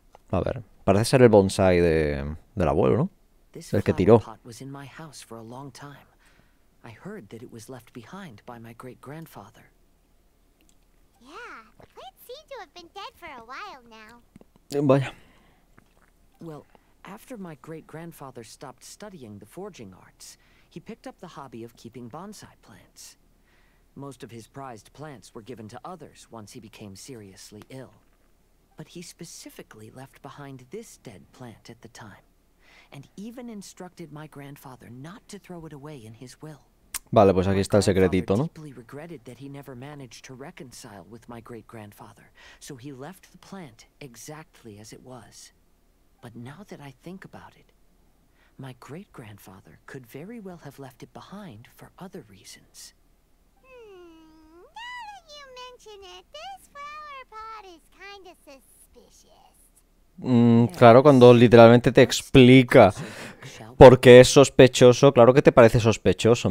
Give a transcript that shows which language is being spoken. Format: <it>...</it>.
<es>A ver, parece ser el bonsai del abuelo, ¿no?</es> <en>This</en> <es>el que tiró.</es> <en>This pot was in my house for a long time. I heard that it was left behind by my great-grandfather. Yeah, plants seem to have been dead for a while now.</en> <es>Vaya.</es> <en>Well, after my great-grandfather stopped studying the forging arts, he picked up the hobby of keeping bonsai plants. Most of his prized plants were given to others once he became seriously ill. But he specifically left behind this dead plant at the time, and even instructed my grandfather not to throw it away in his will.</en> <es>Vale, pues aquí está el secretito, ¿no?</es> <en>My grandfather regretted that he never managed to reconcile with my great-grandfather, so he left the plant exactly as it was. But now that I think about it, my great-grandfather could very well have left it behind for other reasons. Now that you mention it, this flower pot is kind of suspicious.</en> <es>Claro, cuando literalmente te explica por qué es sospechoso, claro que te parece sospechoso.</es>